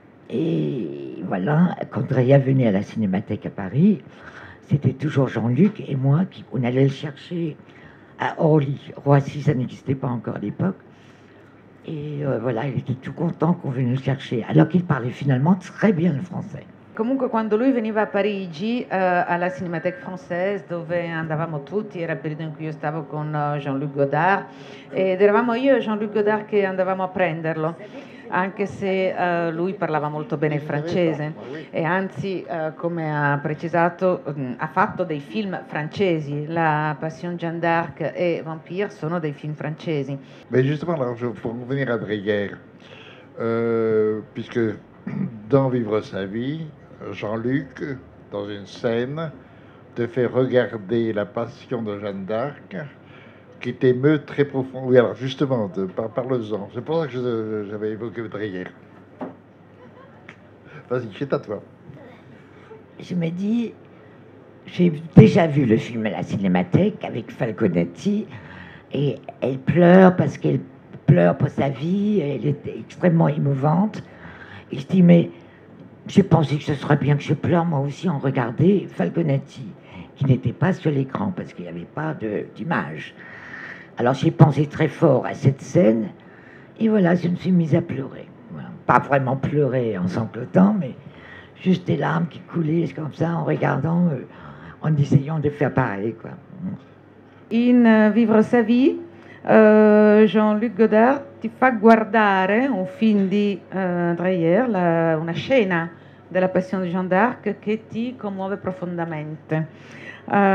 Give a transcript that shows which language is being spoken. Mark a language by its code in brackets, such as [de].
[fr] Et voilà, quand Dreyer venait à la Cinémathèque à Paris, c'était toujours Jean-Luc et moi qui on allait le chercher à Orly. Roissy, ça n'existait pas encore à l'époque. Et voilà, il était tout content qu'on venait le chercher, alors qu'il parlait finalement très bien le français. [it] Comunque quando lui veniva a Parigi alla Cinémathèque Française dove andavamo tutti, era il periodo in cui io stavo con Jean-Luc Godard ed eravamo io e Jean-Luc Godard che andavamo a prenderlo, anche se lui parlava molto bene il francese e anzi come ha precisato ha fatto dei film francesi, La Passion Jeanne d'Arc e Vampire sono dei film francesi. [fr] Beh, justement, alors, pour venir à Dreyer, puisque dans Vivre sa vie, Jean-Luc, dans une scène, te fait regarder la passion de Jeanne d'Arc, qui t'émeut très profondément. Oui, alors justement, parle-en. C'est pour ça que j'avais évoqué Dreyer. Vas-y, c'est à toi. Je me dis, j'ai déjà vu le film à la Cinémathèque avec Falconetti, et elle pleure parce qu'elle pleure pour sa vie, elle est extrêmement émouvante. Et je dis, mais j'ai pensé que ce serait bien que je pleure moi aussi en regardant Falconetti, qui n'était pas sur l'écran parce qu'il n'y avait pas d'image. Alors j'ai pensé très fort à cette scène, et voilà, je me suis mise à pleurer. Voilà. Pas vraiment pleurer en sanglotant, mais juste des larmes qui coulaient comme ça en regardant, en essayant de faire pareil. Quoi. [it] In Vivre sa vie, Jean-Luc Godard ti fa guardare un film di Dreyer, una scena della Passione di Jeanne d'Arc che ti commuove profondamente.